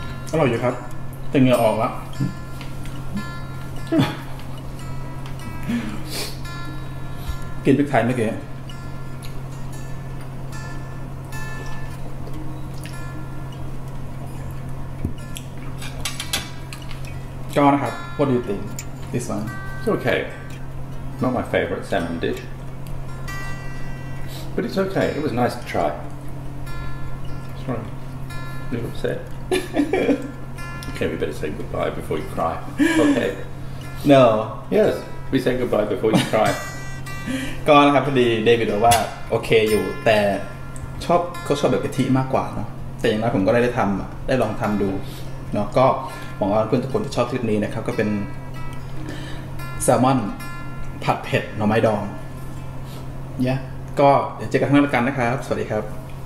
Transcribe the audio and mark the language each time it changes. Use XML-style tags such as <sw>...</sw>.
<th>อร่อยอยู่ครับแต่เหงื่อออกแล้วกินพริกไทยเมื่อกี้ก็นะครับ</th> <en>What do you think this one? It's okay. Not my favorite salmon dishBut it's okay, it was nice to try. Sorry, you're upset. Okay, we better say goodbye before you cry. Okay. No. Yes, we say goodbye before you cry.</en> <th>ก็นะครับพอดีเดวิดบอกว่าโอเคอยู่แต่ชอบเขาชอบแบบกะทิมากกว่าเนาะแต่อย่างน้อยผมก็ได้ทำได้ลองทำดูเนาะก็หวังว่าเพื่อนทุกคนจะชอบคลิปนี้นะครับก็เป็นแซลมอนผัดเผ็ดหน่อไม้ดองเนี่ยก็เดี๋ยวเจอกันครั้งหน้าแล้วกันนะครับสวัสดีครับ</th>